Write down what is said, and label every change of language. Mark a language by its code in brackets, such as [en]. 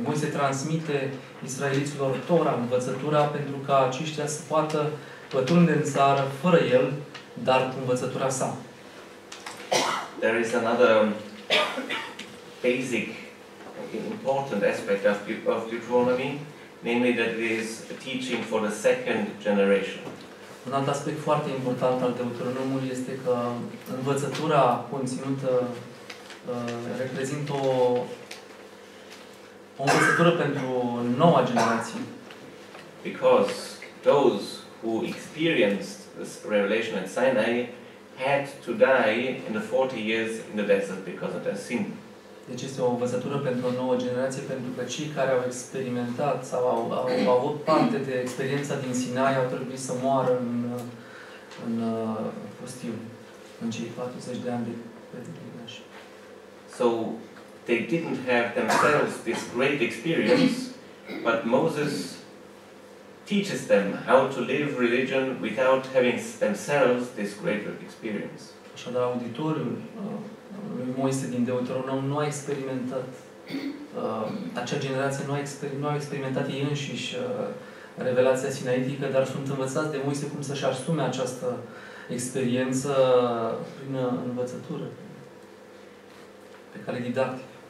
[ro] Moise transmite israeliților Tora, învățătura, pentru ca aceștia să poată pătrunde în țară fără el, dar cu învățătura sa. [en] There is another basic important aspect of Deuteronomy, namely that it is a teaching for the second generation. [ro] Un alt aspect foarte important al Deuteronomului este că învățătura conținută reprezintă o învățătură pentru noua generație. [en] Because those who experienced this revelation at Sinai had to die in the 40 years in the desert because of their sin. [ro] Deci este o învățătură pentru o nouă generație, pentru că cei care au experimentat sau au avut parte de experiența din Sinai au trebuit să moară în pustiu, în cei 40 de ani de pelerinaj. [en] So they didn't have themselves this great experience, but Moses teaches them how to live religion without having themselves this great experience. [ro] Așadar, auditoriul lui Moise din Deuteronom nu a experimentat acea generație nu a experimentat ei înșiși revelația sinaitică, dar sunt învățați de Moise cum să-și asume această experiență prin învățătură pe care didactic.